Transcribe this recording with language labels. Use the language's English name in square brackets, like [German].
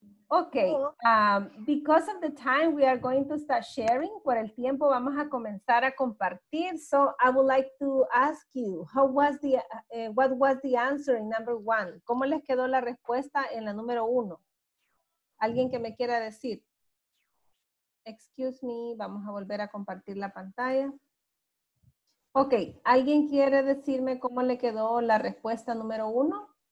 [English] Okay, because of the time, we are going to start sharing. [Spanish] Por el tiempo, vamos a comenzar a compartir. [English] So, I would like to ask you, how was the, what was the answer in number one? [Spanish] ¿Cómo les quedó la respuesta en la número uno? ¿Alguien que me quiera decir? [English] Excuse me, [Spanish] vamos a volver a compartir la pantalla. Okay, ¿alguien quiere decirme cómo le quedó la respuesta número uno?